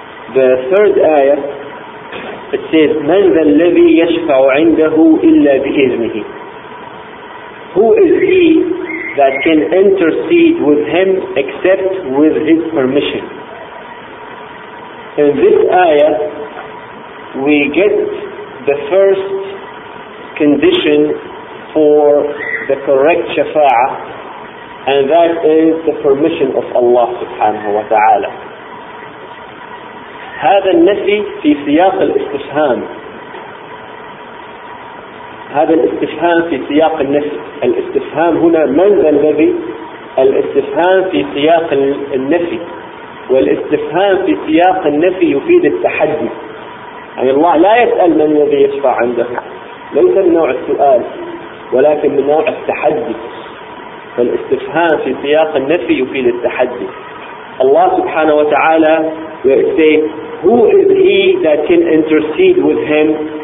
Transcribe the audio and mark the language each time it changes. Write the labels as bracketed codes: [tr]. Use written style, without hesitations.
[en] The third ayah, it says, [ar] مَنْ ذَا الَّذِي يَشْفَعُ عِنْدَهُ إِلَّا بِإِذْنِهِ. [en] Who is he that can intercede with him except with his permission? In this ayah, we get the first condition for the correct shafa'ah, and that is the permission of Allah subhanahu wa ta'ala. [ar] هذا النفي في سياق الاستفهام. هذا الاستفهام في سياق النفي. الاستفهام هنا من ذا الذي؟ الاستفهام في سياق النفي. والاستفهام في سياق النفي يفيد التحدي. يعني الله لا يسأل من الذي يشفع عنده. ليس من نوع السؤال، ولكن من نوع التحدي. فالاستفهام في سياق النفي يفيد التحدي. الله سبحانه وتعالى يقول [en] who is he that can intercede with him?